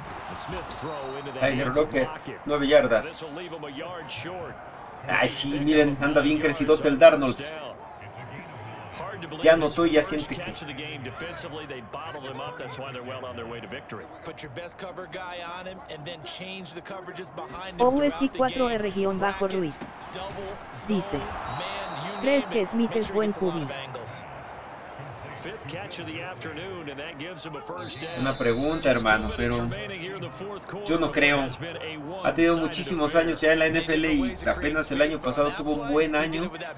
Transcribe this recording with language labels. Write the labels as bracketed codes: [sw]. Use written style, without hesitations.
[en] The Smiths throw into that hey, rocket. [es] 9 yardas. [en] This will leave him a yard short. [es] Ay, sí, miren, anda bien crecidote el Darnold. [en] Hard to believe. [es] Ya anotó y ya siente que... [en] catch of the game defensively, they bottled him up. That's why they're well on their way to victory. Put your best cover guy on him and then change the coverages behind him. [es] OSI4R-Ruiz dice: ¿crees que Smith es buen QB? [en] Fifth catch of the afternoon and that gives him a first down. [es] Una pregunta, hermano, pero yo no creo. Ha tenido muchísimos años ya en la NFL y apenas el año pasado tuvo un buen año.